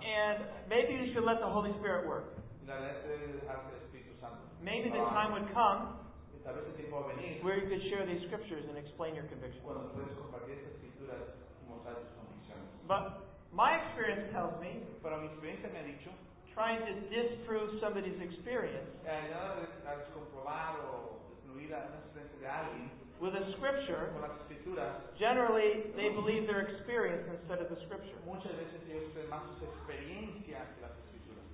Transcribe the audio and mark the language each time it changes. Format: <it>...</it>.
<en>And maybe you should let the Holy Spirit work.</en> <es>La verdad es que el Espíritu Santo.</es> <en>Maybe the time would come</en> <es>tal vez el tiempo va a venir,</es> <en>where you could share these scriptures and explain your conviction.</en> <es>Cuando puedes compartir estas escrituras y mostrar tus convicciones.</es> <en>But my experience tells me,</en> <es>pero mi experiencia me ha dicho,</es> <en>trying to disprove somebody's experience with a scripture,</en> <es>con las escrituras,</es> <en>generally they believe their experience instead of the scripture.</en> <es>Muchas veces ellos creen más sus experiencias que las escrituras.</es>